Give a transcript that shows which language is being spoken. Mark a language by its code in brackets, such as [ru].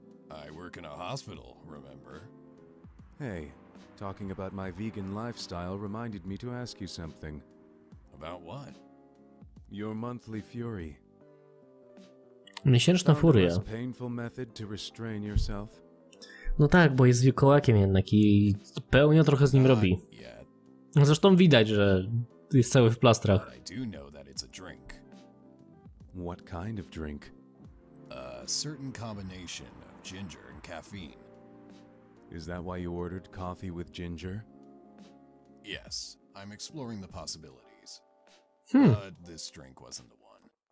[en] I work in a hospital, remember? Hey, talking about my vegan lifestyle reminded me to ask you something. About what? Your monthly fury. [pl] Miesięczna furia. [en] Painful method to restrain yourself. [pl] No tak, bo jest wilkołakiem jednak i pełnia trochę z nim robi. Zresztą widać, że jest cały w plastrach. [en] I do know that it's a drink. What kind of drink? A certain combination of ginger and caffeine. Is that why you ordered coffee with ginger? Yes, I'm exploring the possibilities. But this drink wasn't the one.